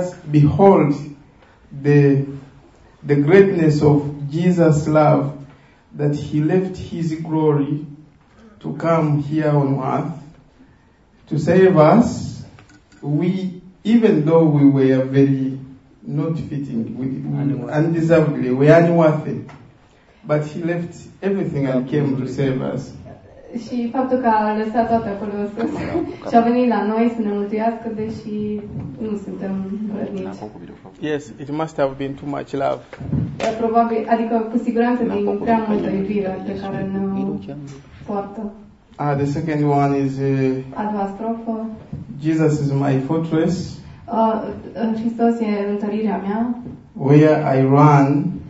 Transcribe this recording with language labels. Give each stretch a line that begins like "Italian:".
English: Behold the greatness of Jesus' love, that he left his glory to come here on earth to save us, we, even though we were very not fitting, undeservedly, we are unworthy, but he left everything and came to save us.
Romanian: Și faptul că a lăsat toate acolo sus și a venit la noi să ne mântuiască, deși nu suntem vrednici.
English: Yes, it must have been too much love.
Romanian: Dar probabil, adică cu siguranță din prea multă iubire pe care ne poartă.
English: Ah, the second one is
Romanian: a doua strofă.
English: Jesus is my fortress.
Romanian: Hristos e întărirea mea.
English: Where I run.